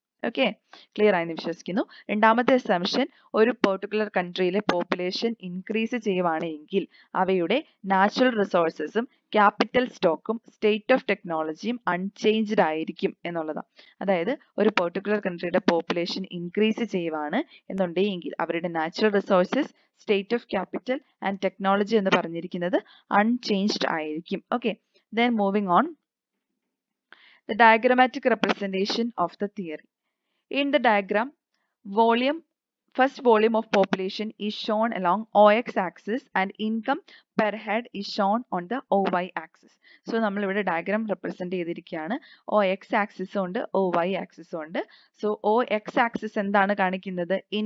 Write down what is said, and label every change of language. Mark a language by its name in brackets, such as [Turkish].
[Malayalam] Okay, clear ആയെന്ന് വിശ്വസിക്കുന്നു. രണ്ടാമത്തെ അസംപ്ഷൻ, ഒരു പെർട്ടിക്കുലർ കൺട്രിയിലെ പോപ്പുലേഷൻ ഇൻക്രീസ് ചെയ്യുവാണെങ്കിൽ അവയുടെ നാച്ചുറൽ റിസോഴ്സസും ക്യാപിറ്റൽ സ്റ്റോക്കും സ്റ്റേറ്റ് ഓഫ് ടെക്നോളജിയും അൺചേഞ്ച്ഡ് ആയിരിക്കും എന്നുള്ളതാണ്. അതായത് ഒരു പെർട്ടിക്കുലർ കൺട്രിയുടെ പോപ്പുലേഷൻ ഇൻക്രീസ് ചെയ്യുവാണ് എന്നുണ്ടെങ്കിൽ അവരുടെ natural resources, state of capital and technology എന്ന് പറഞ്ഞിരിക്കുന്നത് അൺചേഞ്ച്ഡ് ആയിരിക്കും. [English] Okay, then moving on. The diagrammatic representation of the theory. In the diagram, first volume of population is shown along OX axis and income per head is shown on the OY axis. [Malayalam] So, നമ്മൾ ഇവിടെ diagram represent ചെയ്തിരിക്കുകയാണ്. OX axis ഉണ്ട്, OY axis ഉണ്ട്. So, OX axis എന്താണ് കാണിക്കുന്നത്?